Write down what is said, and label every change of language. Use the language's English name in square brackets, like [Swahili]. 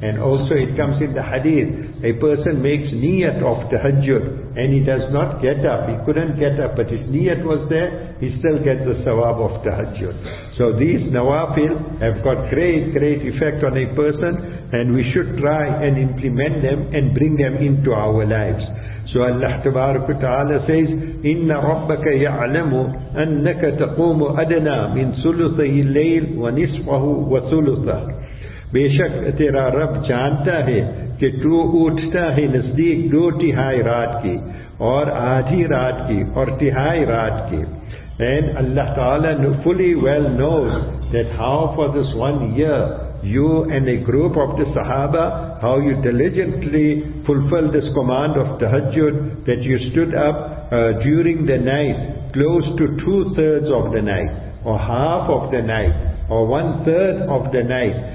[English] And also it comes in the hadith, a person makes niyat of tahajjud and he does not get up, he couldn't get up, but his niyat was there, he still gets the sawab of tahajjud. So these nawafil have got great, great effect on a person, and we should try and implement them and bring them into our lives. So Allah Ta'ala says, [Arabic] إِنَّ رَبَّكَ يَعْلَمُ أَنَّكَ تَقُومُ أَدْنَى مِنْ سُلُثَهِ اللَّيْلِ وَنِصْفَهُ وَسُلُثَهُ. [Urdu] بے شک تیرا رب جانتا ہے کہ تو اٹھتا ہے نزدیک دو تہائی رات کی اور آدھی رات کی اور تہائی رات کی. [English] And Allah Ta'ala fully well knows that how for this one year you and a group of the Sahaba, how you diligently fulfilled this command of tahajjud, that you stood up during the night, close to 2/3 of the night, or half of the night, or 1/3 of the night.